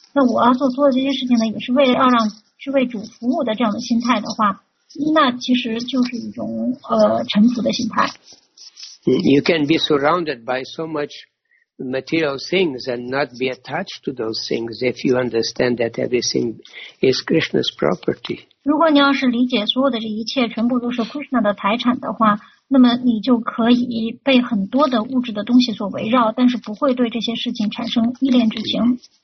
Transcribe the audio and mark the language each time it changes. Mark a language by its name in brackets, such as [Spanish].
[Chinese] 那我要做的这些事情呢，也是为了要让是为主服务的这样的心态的话，那其实就是一种臣服的心态。 [English] You can be surrounded by so much material things and not be attached to those things if you understand that everything is Krishna's property. [Chinese] 如果你要是理解所有的这一切全部都是 Krishna 的财产的话，那么你就可以被很多的物质的东西所围绕，但是不会对这些事情产生依恋之情。